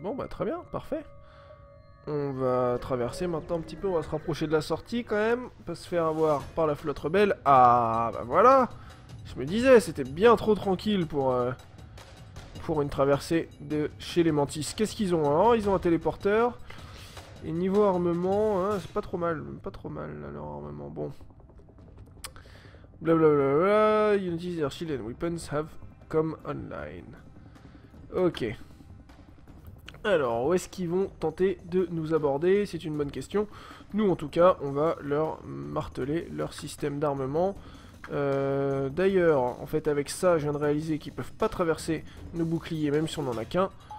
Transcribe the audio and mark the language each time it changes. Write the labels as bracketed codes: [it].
[fr] Très bien, parfait. On va traverser maintenant un petit peu, on va se rapprocher de la sortie quand même, pas se faire avoir par la flotte rebelle. Ah bah voilà, je me disais, c'était bien trop tranquille pour une traversée de chez les Mantis. Qu'est-ce qu'ils ont hein? Ils ont un téléporteur, et niveau armement, hein, c'est pas trop mal, leur armement, bon. [en] Blablabla, Unities, their shield and weapons have come online. Ok. [fr] Alors, où est-ce qu'ils vont tenter de nous aborder? C'est une bonne question. Nous, en tout cas, on va leur marteler leur système d'armement. D'ailleurs, en fait, avec ça, je viens de réaliser qu'ils peuvent pas traverser nos boucliers, même si on n'en a qu'un.